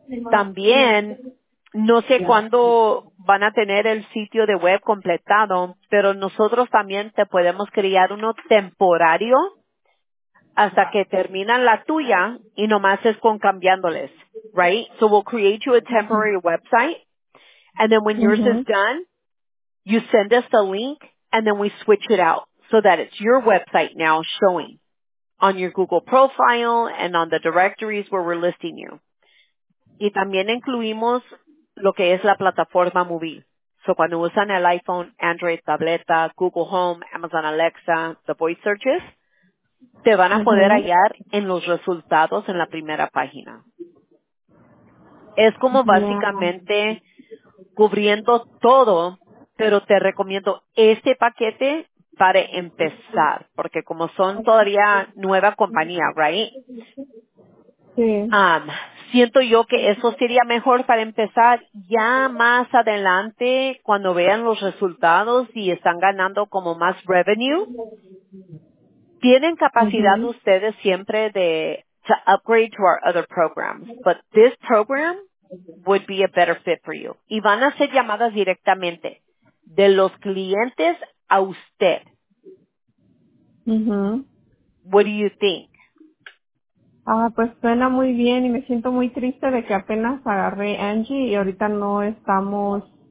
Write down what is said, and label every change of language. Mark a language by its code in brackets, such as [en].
[es] También, no sé cuándo van a tener el sitio de web completado, pero nosotros también te podemos crear uno temporario hasta que terminan la tuya y nomás es con cambiándoles, right? [en] So we'll create you a temporary website and then when yours is done, you send us the link and then we switch it out so that it's your website now showing on your Google profile and on the directories where we're listing you. [es] Y también incluimos lo que es la plataforma móvil. So cuando usan el iPhone, Android, tableta, Google Home, Amazon Alexa, [en] the voice searches, [es] te van a poder hallar en los resultados en la primera página. Es como básicamente cubriendo todo, pero te recomiendo este paquete para empezar, porque como son todavía nueva compañía, right? Sí. Siento yo que eso sería mejor para empezar ya más adelante cuando vean los resultados y están ganando como más revenue. Tienen capacidad mm-hmm. ustedes siempre de [en] to upgrade to our other programs, but this program would be a better fit for you. [es] Y van a ser llamadas directamente de los clientes a usted. Mm-hmm. [en] What do you think? [es] Pues suena muy bien y me siento muy triste de que apenas agarré Angie y ahorita no estamos.